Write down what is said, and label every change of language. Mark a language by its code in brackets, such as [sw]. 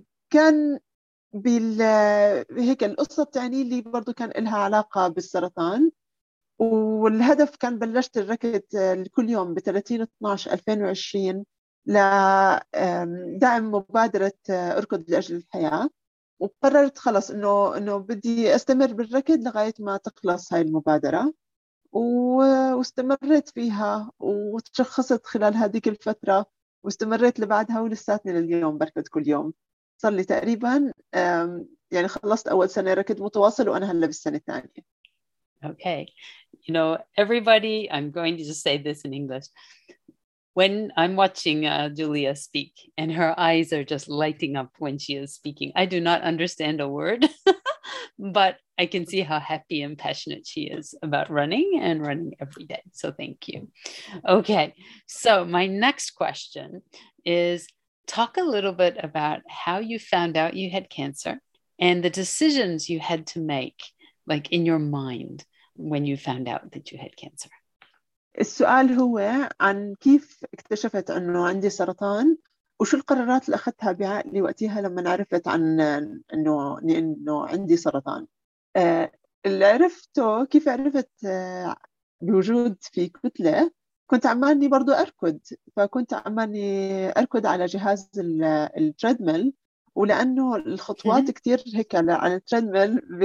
[ar] كان بهيك القصة بتعني اللي برضو كان إلها علاقة بالسرطان والهدف كان بلشت الركض كل يوم ب 30/12/2020 لدعم مبادرة أركض لأجل الحياة وقررت خلص إنه بدي أستمر بالركض لغاية ما تخلص هاي المبادرة واستمرت فيها وتشخصت خلال هذه الفترة واستمريت لبعدها ولساتني لليوم بركض كل يوم صار لي تقريبا يعني خلصت اول سنه ركض متواصل وانا هلا بالسنه الثانيه [en] Okay. You know, everybody, I'm going to just say this in English. When I'm watching Julia speak and her eyes are just lighting up when she is speaking, I do not understand a word, but I can see how happy and passionate she is about running and running every day. So thank you. Okay. So my next question is, talk a little bit about how you found out you had cancer and the decisions you had to make, like in your mind when you found out that you had cancer. [ar] السؤال هو عن كيف اكتشفت انه عندي سرطان وشو القرارات اللي اخذتها بعقلي وقتها لما عرفت عن انه عندي سرطان اللي عرفته كيف عرفت بوجود في كتلة كنت عمالني برضو اركض فكنت عمالني اركض على جهاز التريدميل ولانه الخطوات كتير هيك على التريدميل